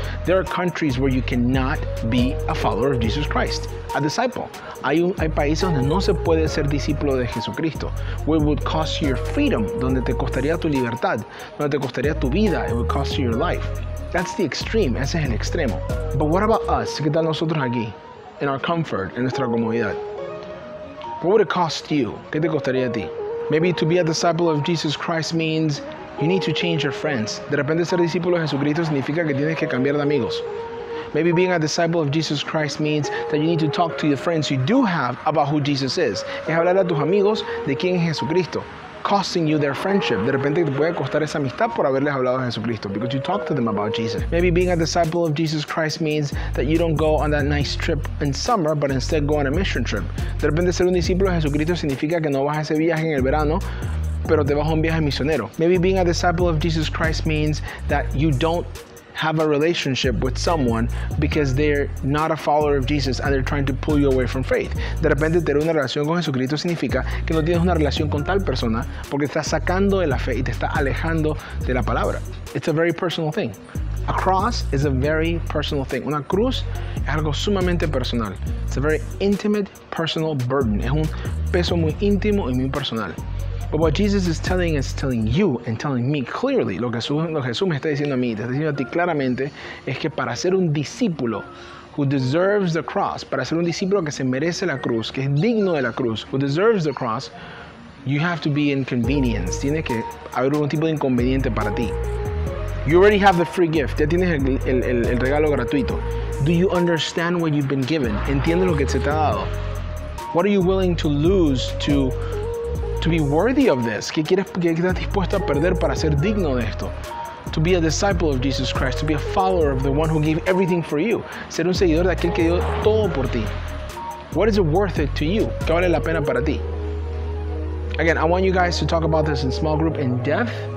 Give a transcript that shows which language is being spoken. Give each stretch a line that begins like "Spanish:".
English: There are countries where you cannot be a follower of Jesus Christ, a disciple.
Spanish: Hay países donde no se puede ser discípulo de Jesucristo.
English: Where it would cost you your freedom,
Spanish: donde te costaría tu libertad, donde te costaría tu vida,
English: it would cost you your life. That's the extreme,
Spanish: ese es el extremo.
English: But what about us?
Spanish: ¿Qué tal nosotros aquí?
English: In our comfort,
Spanish: en nuestra comodidad.
English: What would it cost you?
Spanish: ¿Qué te costaría a ti?
English: Maybe to be a disciple of Jesus Christ means you need to change your friends.
Spanish: De repente ser discípulo de Jesucristo significa que tienes que cambiar de amigos.
English: Maybe being a disciple of Jesus Christ means that you need to talk to your friends you do have about who Jesus is.
Spanish: Es hablar a tus amigos de quién es Jesucristo.
English: Costing you their friendship.
Spanish: De repente te puede costar esa amistad por haberles hablado a Jesucristo,
English: because you talk to them about Jesus. Maybe being a disciple of Jesus Christ means that you don't go on that nice trip in summer, but instead go on a mission trip.
Spanish: De repente ser un discípulo de Jesucristo significa que no vas a ese viaje en el verano, pero te vas a un viaje misionero.
English: Maybe being a disciple of Jesus Christ means that you don't have a relationship with someone because they're not a follower of Jesus and they're trying to pull you away from faith.
Spanish: De repente tener una relación con Jesucristo significa que no tienes una relación con tal persona porque te está sacando de la fe y te está alejando de la palabra.
English: It's a very personal thing. A cross is a very personal thing.
Spanish: Una cruz es algo sumamente personal.
English: It's a very intimate personal burden.
Spanish: Es un peso muy íntimo y muy personal.
English: But what Jesus is telling you and telling me clearly,
Spanish: lo que Jesús me está diciendo a mí, te está diciendo a ti claramente, es que para ser un discípulo
English: who deserves the cross,
Spanish: para ser un discípulo que se merece la cruz, que es digno de la cruz,
English: who deserves the cross, you have to be inconvenienced.
Spanish: Tiene que haber un tipo de inconveniente para ti.
English: You already have the free gift.
Spanish: Ya tienes el regalo gratuito.
English: Do you understand what you've been given?
Spanish: ¿Entiendes lo que se te ha dado?
English: What are you willing to lose to be worthy of this?
Spanish: ¿Qué quieres, qué estás dispuesto a perder para ser digno de esto?
English: To be a disciple of Jesus Christ, to be a follower of the one who gave everything for you.
Spanish: Ser un seguidor de aquel que dio todo por ti.
English: What is it worth it to you?
Spanish: ¿Qué vale la pena para ti?
English: Again, I want you guys to talk about this in small group in depth.